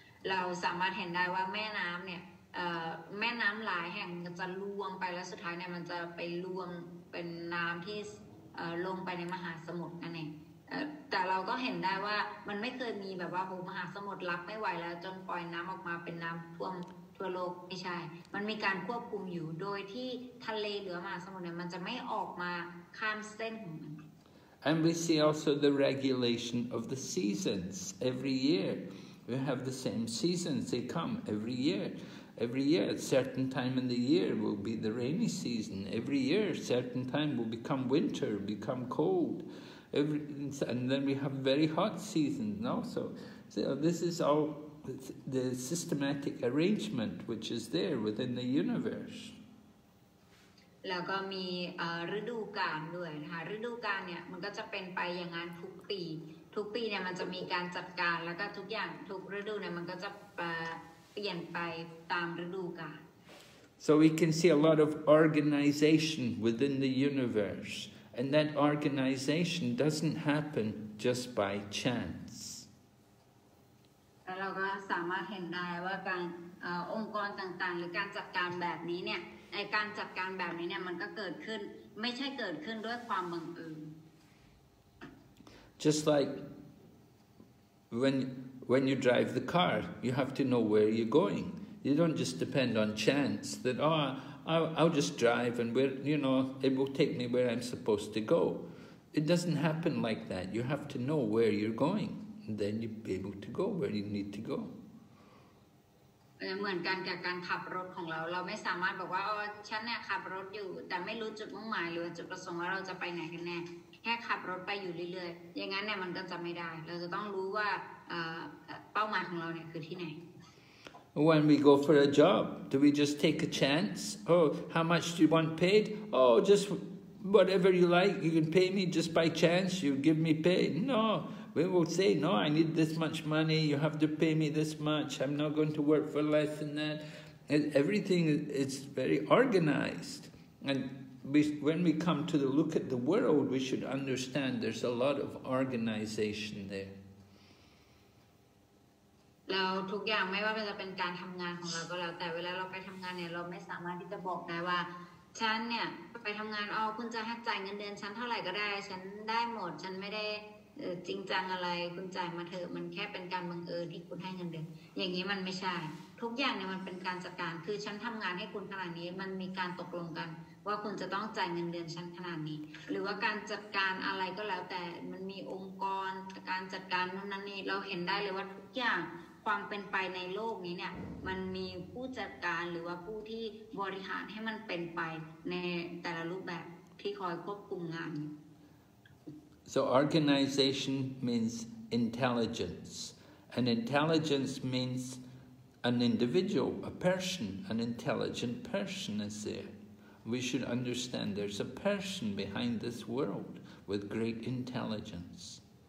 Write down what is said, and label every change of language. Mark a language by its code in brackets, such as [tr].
[th] เราสามารถเห็นได้ว่าแม่น้ำเนี่ยแม่น้ำหลายแห่งจะรวมไปแล้วสุดท้ายเนี่ยมันจะไปรวมเป็นน้ำที่ลงไปในมหาสมุทรนั่นเองแต่เราก็เห็นได้ว่ามันไม่เคยมีแบบว่าโอ้มหาสมุทรรับไม่ไหวแล้วจนปล่อยน้ำออกมาเป็นน้ำท่วมทั่วโลกไม่ใช่มันมีการควบคุมอยู่โดยที่ทะเลหรือมหาสมุทรเนี่ยมันจะไม่ออกมาข้ามเส้นของมัน [en] And we see also the regulation of the seasons every year we have the same seasons they come every year every year at certain time in the year will be the rainy season every year certain time will become winter become coldAnd then we have very hot seasons also. So this is all the systematic arrangement which is there within the universe. [th] แล้วก็มีฤดูกาลด้วยนะคะฤดูกาลเนี่ยมันก็จะเป็นไปอย่างนั้นทุกปีทุกปีเนี่ยมันจะมีการจัดการแล้วก็ทุกอย่างทุกฤดูเนี่ยมันก็จะเปลี่ยนไปตามฤดูกาล [en] So we can see a lot of organization within the universe. And that organization doesn't happen just by chance. [th] เราก็สามารถเห็นได้ว่าการองค์กรต่างๆหรือการจัดการแบบนี้เนี่ยในการจัดการแบบนี้เนี่ยมันก็เกิดขึ้นไม่ใช่เกิดขึ้นด้วยความบังเอิญ [en] Just like when you drive the car, you have to know where you're going. You don't just depend on chance that I'll just drive and where, you know, it will take me where I'm supposed to go. It doesn't happen like that. You have to know where you're going. And then you'll be able to go where you need to go. [th] เหมือนกันกับการขับรถของเราเราไม่สามารถบอกว่าฉันเนี่ยขับรถอยู่แต่ไม่รู้จุดมุ่งหมายหรือจุดประสงค์ว่าเราจะไปไหนกันแน่แค่ขับรถไปอยู่เรื่อยๆอย่างนั้นเนี่ยมันก็จะไม่ได้เราจะต้องรู้ว่าเป้าหมายของเราเนี่ยคือที่ไหน [en] When we go for a job, do we just take a chance? Oh, how much do you want paid? Oh, just whatever you like, you can pay me just by chance, you give me pay. No, we will say, no, I need this much money, you have to pay me this much, I'm not going to work for less than that. Everything is very organized. And when we come to look at the world, we should understand there's a lot of organization there. [th] แล้วทุกอย่างไม่ว่าจะเป็นการทำงานของเราก็แล้วแต่เวลาเราไปทำงานเนี่ยเราไม่สามารถที่จะบอกได้ว่าฉันเนี่ยไปทำงานอ๋อคุณจะให้จ่ายเงินเดือนฉันเท่าไหร่ก็ได้ฉันได้หมดฉันไม่ได้จริงจังอะไรคุณจ่ายมาเถอะมันแค่เป็นการบังเอิญที่คุณให้เงินเดือนอย่างนี้มันไม่ใช่ทุกอย่างเนี่ยมันเป็นการจัดการคือฉันทำงานให้คุณขนาดนี้มันมีการตกลงกัน ว่าคุณจะต้องจ่ายเงินเดือนฉันขนาดนี้หรือว่าการจัดการอะไรก็แล้วแต่มันมีองค์กรการจัดการนู่นนั่นนี่เราเห็นได้เลยว่าทุกอย่างความเป็นไปในโลกนี้เนี่ยมันมีผู้จัดการหรือว่าผู้ที่บริหารให้มันเป็นไปในแต่ละรูปแบบที่คอยควบคุมงานอยู่ [en] So organization means intelligence and intelligence meansAn individual, a person, an intelligent person is there. We should understand there's a person behind this world with great intelligence.